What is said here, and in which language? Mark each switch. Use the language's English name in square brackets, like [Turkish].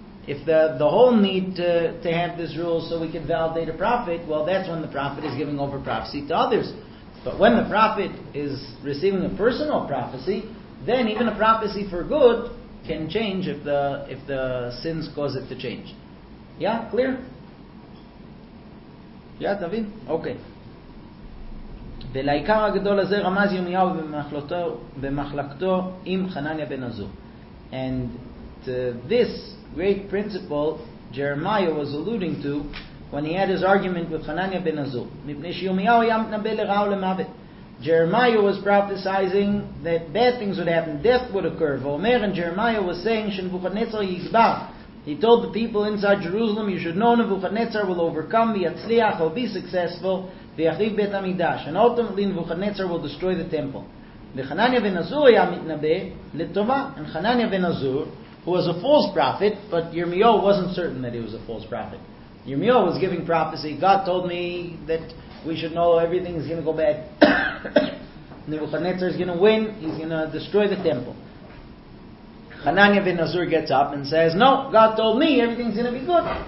[English] If the whole need to have this rule so we can validate a prophet, well, that's when the prophet is giving over prophecy to others. But when the prophet is receiving a personal prophecy, then even a prophecy for good can change if the sins cause it to change. Yeah, clear? [Hebrew] יא, תבין? אוקיי. ולעיקר הגדול הזה רמז ירמיהו במחלקתו עם חנניה בן עזור. [English] And to this great principle Jeremiah was alluding to when he had his argument with Hananiah ben Azur. [Hebrew] מפני שירמיהו היה מתנבא לרע ולמוות. [English] Jeremiah was prophesizing that bad things would happen, death would occur. [Hebrew] ואומר, [English] and Jeremiah was saying, [Hebrew] שנבוכדנצר יגבר. [English] He told the people inside Jerusalem, you should know נבוכדנצר will overcome, [Hebrew] ויצליח, [English] will be successful, [Hebrew] ויחריב בית המקדש. [English] And ultimately, נבוכדנצר will destroy the temple. [Hebrew] וחנניה בן עזור היה מתנבא לטובה. [English] And חנניה בן עזור, who was a false prophet, but Yirmiyahu wasn't certain that he was a false prophet. Yirmiyahu was giving prophecy. God told me that we should know everything is going to go bad. Nebuchadnezzar is going to win. He's going to destroy the temple. Hananiah ben Azur gets up and says, no, God told me everything's going to be good.